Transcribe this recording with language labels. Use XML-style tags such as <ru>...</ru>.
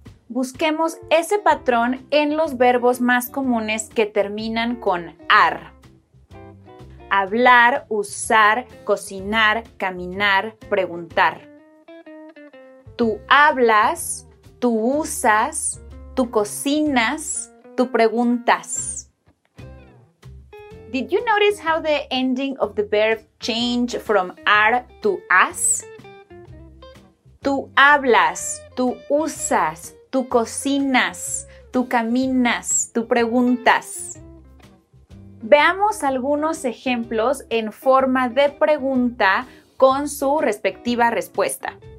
<es>Busquemos ese patrón en los verbos más comunes que terminan con ar. Hablar, usar, cocinar, caminar, preguntar. Tú hablas, tú usas, tú cocinas, tú preguntas.</es> <en>Did you notice how the ending of the verb changed from are to as?</en> <es>Tú hablas, tú usas, tú cocinas, tú caminas, tú preguntas. Veamos algunos ejemplos en forma de pregunta con su respectiva respuesta.</es>